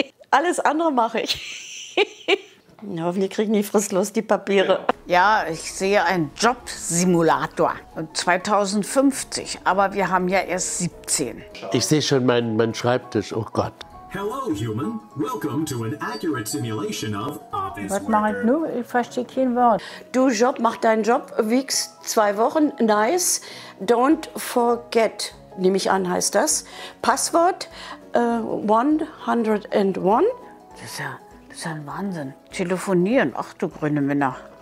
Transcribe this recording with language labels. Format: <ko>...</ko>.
<de>Alles andere mache ich. Hoffentlich kriege ich nie fristlos die Papiere. Ja, ich sehe einen Jobsimulator. Und 2050, aber wir haben ja erst 17. Ich sehe schon meinen Schreibtisch, oh Gott.</de> <en>Hello, human. Welcome to an accurate simulation of office.</en> <de>Was mache ich nur? Ich verstehe kein Wort. Du Job, mach deinen Job, wiegst 2 Wochen, nice.</de> <en>Don't forget,</en> <de>nehme ich an, heißt das. Passwort 101. Das ist ein Wahnsinn. Telefonieren, ach du grüne Männer.</de>